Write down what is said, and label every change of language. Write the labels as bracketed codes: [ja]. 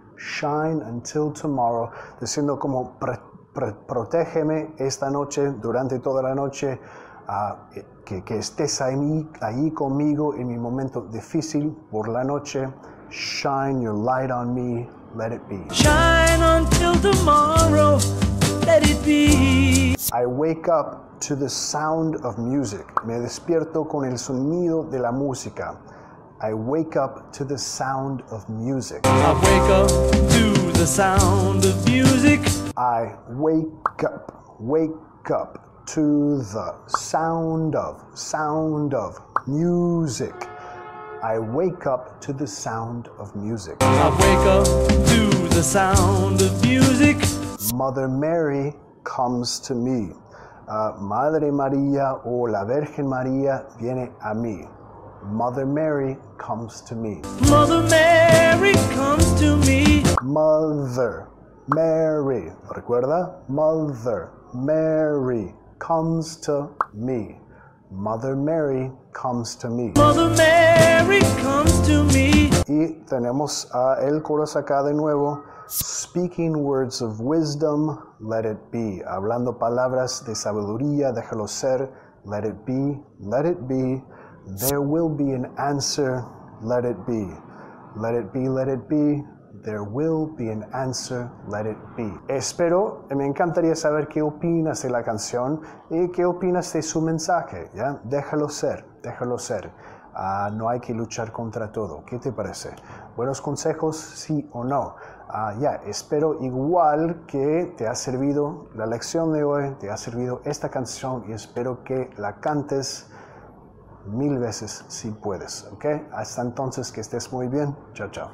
[en] Shine until tomorrow, [es] diciendo como protégeme esta noche, durante toda la noche, que estés ahí conmigo en mi momento difícil por la noche. [en] Shine your light on me, let it be. Shine until tomorrow, let it be. I wake up to the sound of music. [es] Me despierto con el sonido de la música. [en] I wake up to the sound of music. I wake up to the sound of music. I wake up to the sound of music. I wake up to the sound of music. I wake up to the sound of music. Mother Mary comes to me. [es] Madre María o la Virgen María viene a mí. [en] Mother Mary comes to me. Mother Mary comes to me. [es] Mother Mary, recuerda? [en] Mother Mary comes to me. Mother Mary comes to me. Mother Mary comes to me. [es] Y tenemos el coro acá de nuevo. [en] Speaking words of wisdom, let it be. [es] Hablando palabras de sabiduría, déjalo ser. [en] Let it be, let it be. There will be an answer, let it be. Let it be, let it be. There will be an answer, let it be. [es] Espero, me encantaría saber qué opinas de la canción y qué opinas de su mensaje, ¿ya? Déjalo ser, déjalo ser. No hay que luchar contra todo. ¿Qué te parece? ¿Buenos consejos, sí o no? Ya, espero igual que te ha servido la lección de hoy, te ha servido esta canción y espero que la cantes mil veces si puedes, ¿ok? Hasta entonces, que estés muy bien. Chao, chao.